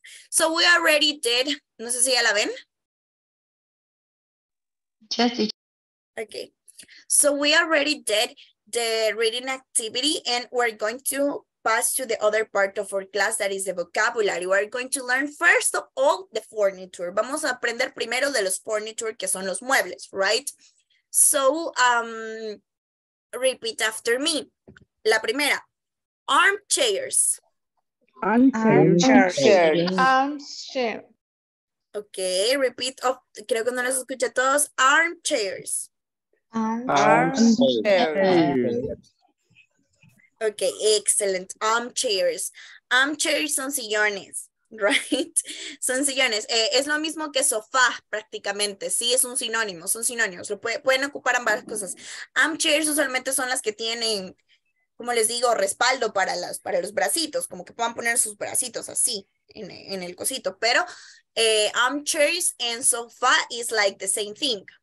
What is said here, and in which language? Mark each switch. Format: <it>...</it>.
<en>So we already did,</en> <es>no sé si ya la ven.</es> <en>Okay, so we already did the reading activity and we're going to pass to the other part of our class, that is the vocabulary. We are going to learn first of all the furniture.</en> <es>Vamos a aprender primero de los furniture, que son los muebles, right?</es> <en>So, repeat after me.</en> <es>La primera, armchairs.</es> <en>Armchairs. Okay, repeat.</en> <es>Oh, creo que no los escuché a todos.</es> <en>Armchairs. Armchairs. Okay, excellent.</en> <es>Armchairs. Armchairs son sillones, right? Son sillones. Es lo mismo que sofá, prácticamente. Sí, es un sinónimo. Son sinónimos. Pueden ocupar ambas cosas. Armchairs usualmente son las que tienen, como les digo, respaldo para los bracitos, como que puedan poner sus bracitos así en el cosito.</es> <en>Pero armchairs and sofa is like the same thing.</en>